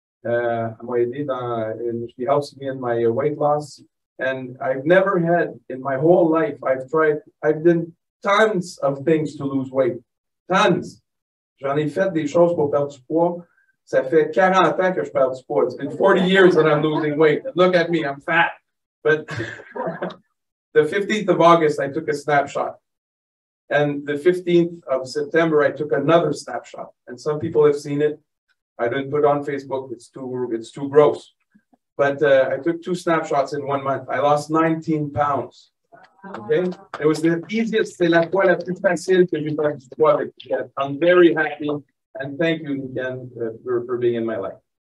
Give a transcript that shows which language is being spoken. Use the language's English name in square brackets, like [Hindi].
[French] Elle m'a aidé [English] she helps me in my weight loss. And I've never had, in my whole life, I've done tons of things to lose weight. Tons. [French] J'en ai fait des choses pour perdre du poids. Ça fait 40 ans que je perds du poids. [English] It's been 40 years that I'm losing weight. Look at me, I'm fat. But the 15th of August, I took a snapshot. And the 15th of September, I took another snapshot. And some people have seen it. I didn't put it on Facebook. It's too gross. But I took two snapshots in 1 month. I lost 19 pounds. Okay? It was the easiest. [French] C'est la fois la plus facile que j'ai perdu du poids. [English] I'm very happy. And thank you again for being in my life.